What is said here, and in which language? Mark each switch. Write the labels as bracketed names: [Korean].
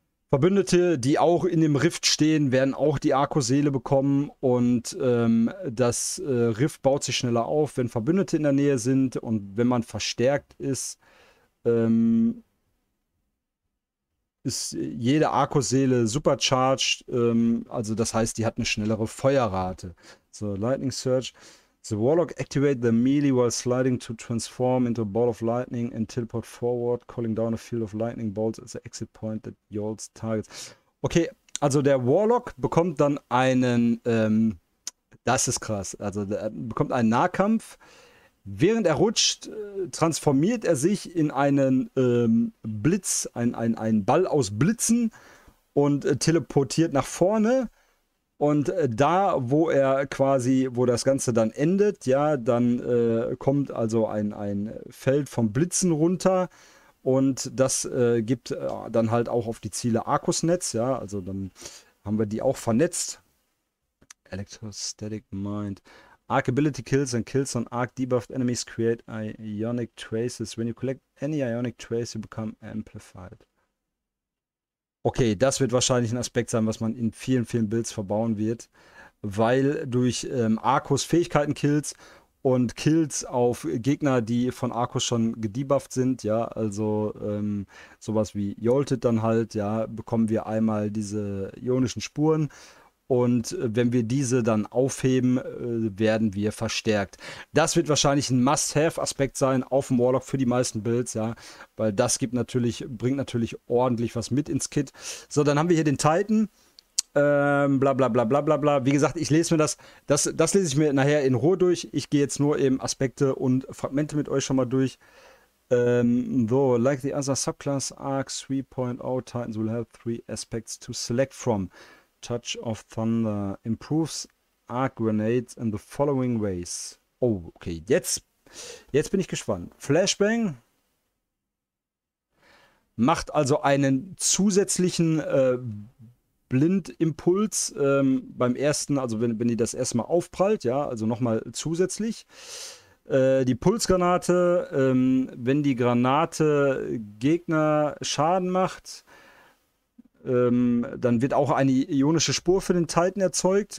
[German] Verbündete, die auch in dem Rift stehen, werden auch die Arkusseele bekommen und das Rift baut sich schneller auf, wenn Verbündete in der Nähe sind und wenn man verstärkt ist, ist jede Arkusseele supercharged, also das heißt, die hat eine schnellere Feuerrate. So, Lightning Surge. [English] The Warlock activate the melee while sliding to transform into a ball of lightning and teleport forward, calling down a field of lightning bolts as the exit point that yields targets. [German] Okay, also der Warlock bekommt dann einen, das ist krass, also der bekommt einen Nahkampf. Während er rutscht, transformiert er sich in einen Blitz, einen Ball aus Blitzen und teleportiert nach vorne. Und da, wo er quasi, wo das Ganze dann endet, ja, dann kommt also ein Feld von Blitzen runter und das gibt dann halt auch auf die Ziele Arkusnetz, ja, also dann haben wir die auch vernetzt. [English] Electrostatic Mind. Arc Ability Kills and Kills on Arc Debuffed Enemies create Ionic Traces. When you collect any Ionic Trace, you become amplified. [German] Okay, das wird wahrscheinlich ein Aspekt sein, was man in vielen, vielen Builds verbauen wird, weil durch Arcus Fähigkeiten Kills und Kills auf Gegner, die von Arcus schon gedebufft sind, ja, also sowas wie Yolted dann halt, ja, bekommen wir einmal diese ionischen Spuren und wenn wir diese dann aufheben, werden wir verstärkt. Das wird wahrscheinlich ein Must-Have-Aspekt sein auf dem Warlock für die meisten Builds, ja, weil das gibt natürlich, bringt natürlich ordentlich was mit ins Kit. So, dann haben wir hier den Titan. Bla bla bla bla bla bla. Wie gesagt, ich lese mir das lese ich mir nachher in Ruhe durch. Ich gehe jetzt nur eben Aspekte und Fragmente mit euch schon mal durch. [English] So, like the other subclass Arc 3.0, Titans will have three aspects to select from. Touch of Thunder improves Arc Grenades in the following ways. [German] Oh, okay, jetzt bin ich gespannt. Flashbang macht also einen zusätzlichen Blindimpuls beim ersten, also wenn die das erstmal aufprallt, ja, also nochmal zusätzlich. Die Pulsgranate, wenn die Granate Gegner Schaden macht, dann wird auch eine ionische Spur für den Titan erzeugt.